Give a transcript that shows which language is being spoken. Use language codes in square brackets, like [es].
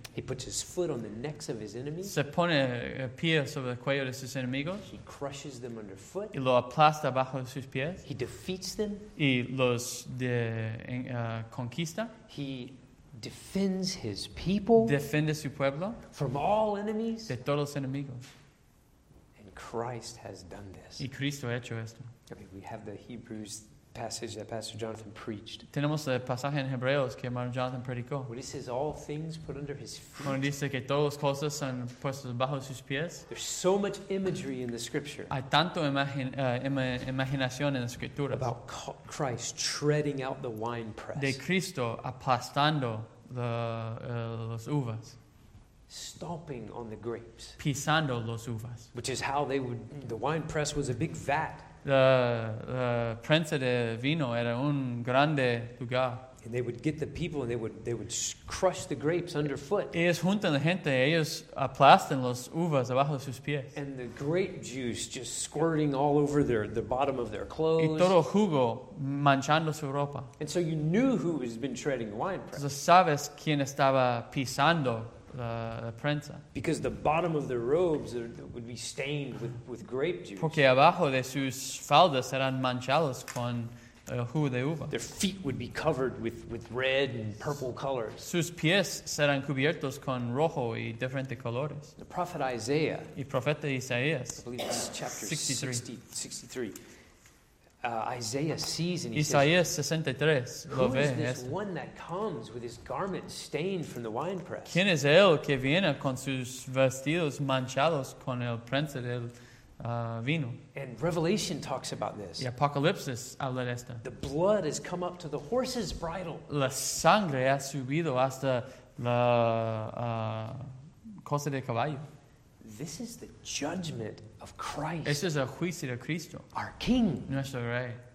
[en] He puts his foot on the necks of his enemies. [es] Se pone el pie sobre el cuello de sus enemigos. [en] He crushes them underfoot. [es] Y lo aplasta bajo sus pies. [en] He defeats them. [es] Y los conquista. [en] He defends his people. [es] Defiende su pueblo. [en] From all enemies. [es] De todos los enemigos. [en] And Christ has done this. [es] Y Cristo ha hecho esto. [en] Okay, we have the Hebrews passage that Pastor Jonathan preached. [es] Tenemos el pasaje en Hebreos que hermano Jonathan predicó. [en] When he says all things put under his feet. [es] Cuando dice que todas las cosas son puestas bajo sus pies. [en] There's so much imagery in the scripture. [es] Hay tanto imaginación en la escritura. [en] About Christ treading out the wine press. [es] De Cristo aplastando las uvas. [en] Stomping on the grapes. [es] Pisando las uvas. [en] Which is how they would. The wine press was a big vat. [es] La prensa de vino era un grande lugar. [en] And they would get the people and they would crush the grapes underfoot. [es] Ellos juntan la gente, ellos aplastan las uvas debajo de sus pies. [en] And the grape juice just squirting all over the bottom of their clothes. [es] Y todo jugo manchando su ropa. [en] And so you knew who has been treading wine press. [es] Sabes quién estaba pisando la prensa. [en] Because the bottom of their robes would be stained with grape juice. [es] Porque abajo de sus faldas eran manchados con jugo de uva. [en] Their feet would be covered with red and purple colors. [es] Sus pies serán cubiertos con rojo y diferentes colores. [en] The prophet Isaiah. [es] Y profeta Isaías. [en] I believe it's chapter 63. Isaiah sees and he [es] Isaías 63 [en] says, [es] lo [en] who [es] ve [en] is this este? One that comes with his garment stained from the winepress? [es] ¿Quién es él que viene con sus vestidos manchados con el prensa del vino? [en] And Revelation talks about this. [es] Y Apocalipsis habla de esto. [en] The blood has come up to the horse's bridle. [es] La sangre ha subido hasta la cosa de caballo. [en] This is the judgment of Christ. [es] Este es el juicio de Cristo. [en] Our King. [es] Nuestro Rey.